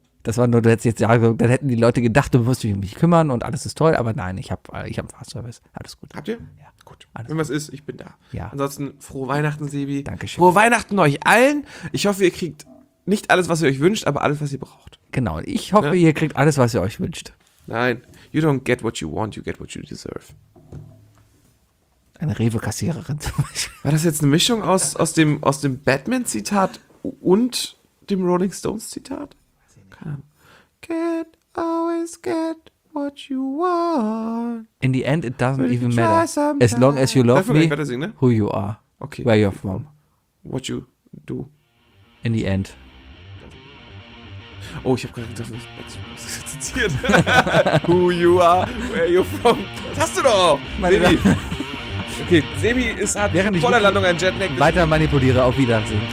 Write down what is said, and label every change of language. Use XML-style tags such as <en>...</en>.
<de>Das war nur, du hättest jetzt, ja, dann hätten die Leute gedacht, du musst dich um mich kümmern und alles ist toll, aber nein, ich hab einen Fahrservice, alles gut. Habt ihr? Ja. Gut, alles wenn gut. Was ist, ich bin da. Ja. Ansonsten, frohe Weihnachten, Sebi. Dankeschön. Frohe Weihnachten euch allen. Ich hoffe, ihr kriegt nicht alles, was ihr euch wünscht, aber alles, was ihr braucht. Genau, ich hoffe, ja? Ihr kriegt alles, was ihr euch wünscht.</de> <en>Nein, you don't get what you want, you get what you deserve.</en> <de>Eine Rewe-Kassiererin zum Beispiel. War das jetzt eine Mischung aus dem Batman-Zitat und dem Rolling Stones-Zitat?</de> <en>Can't always get what you want. In the end, it doesn't even matter. As long as you love me,</en> <de>sing, ne?</de> <en>Who you are, okay. Where you're from. What you do. In the end.</en> <de>Oh, ich hab gerade gedacht, das ist zitiert.</de> <en>Who you are, where you're from.</en> <de>Das hast du doch. Meine Sebi. Okay, Sebi hat vor der Landung ein Jetlag. Weiter manipuliere, auf Wiedersehen.</de>